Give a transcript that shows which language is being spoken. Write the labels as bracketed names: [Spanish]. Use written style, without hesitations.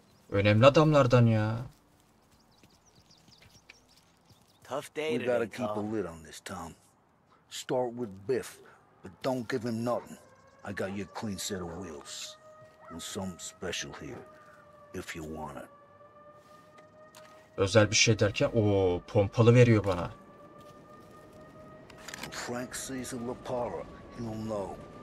[Turkish] Önemli adamlardan ya. [English] Tough day today, we gotta keep a lid on this, Tom. Start with Biff, but don't give him nothing. I got you a clean set of wheels. And something special here, if you want it. [Turkish] Özel bir şey derken, ooo, pompalı veriyor bana. [English] When Frank sees a La Para, he'll know.